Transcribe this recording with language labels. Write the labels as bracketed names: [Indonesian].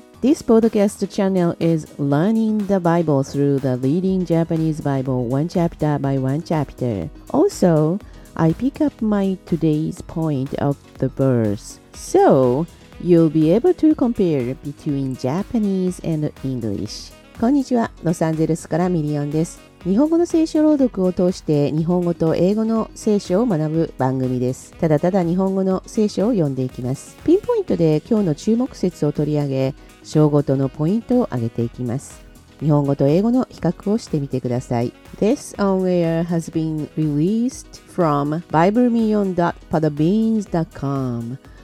[English] This podcast channel is learning the Bible through the Leading Japanese Bible one chapter by one chapter. Also, I pick up my today's point of the verse. So, you'll be able to compare between Japanese and English. [Japanese] こんにちは、ロサンゼルスからミリオンです。日本語の聖書朗読を通して日本語と英語の聖書を学ぶ番組です。ただただ日本語の聖書を読んでいきます。ピンポイントで今日の注目節を取り上げ、章ごとのポイントを挙げていきます。日本語と英語の比較をしてみてください。 [English] This on-air has been released from BibleMillion.podbeans.com。